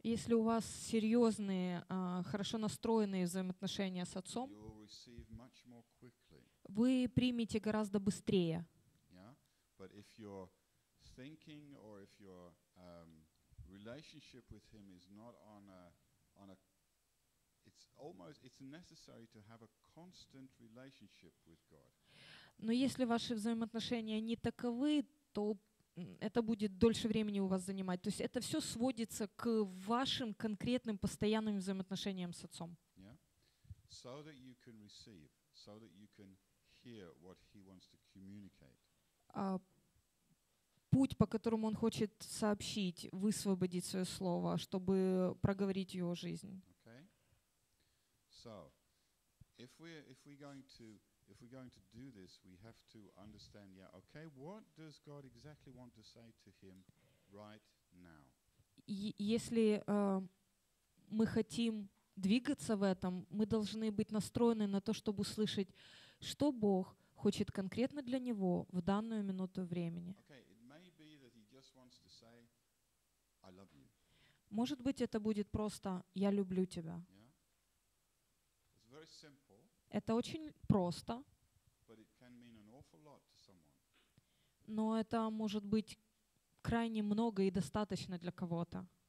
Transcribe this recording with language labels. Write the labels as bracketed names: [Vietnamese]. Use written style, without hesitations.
[Russian] Если у вас серьезные, хорошо настроенные взаимоотношения с Отцом, [English] you'll receive much more quickly. [Russian] Вы примете гораздо быстрее. [English] Yeah? But if your thinking or if your relationship with him is not on a it's almost it's necessary to have a constant relationship with God. [Russian] Но если ваши взаимоотношения не таковы, то это будет дольше времени у вас занимать. То есть это все сводится к вашим конкретным постоянным взаимоотношениям с Отцом. [English] Yeah. So that you can receive, so that you can hear what he wants to communicate. [Russian] Путь, по которому он хочет сообщить, высвободить свое слово, чтобы проговорить его жизнь. [English] Okay. So, if we're going to do this, we have to understand, yeah, okay, what does God exactly want to say to him right now? [Russian] Если мы хотим двигаться в этом, мы должны быть настроены на то, чтобы услышать, что Бог хочет конкретно для него в данную минуту времени. [English] Okay, it may be that he just wants to say, I love you. [Russian] Может быть, это будет просто «Я люблю тебя». [English] Yeah? It's very simple. [Russian] Это очень просто. [English] But it can mean an awful lot to someone. [Russian] Но это может быть крайне много и достаточно для кого-то.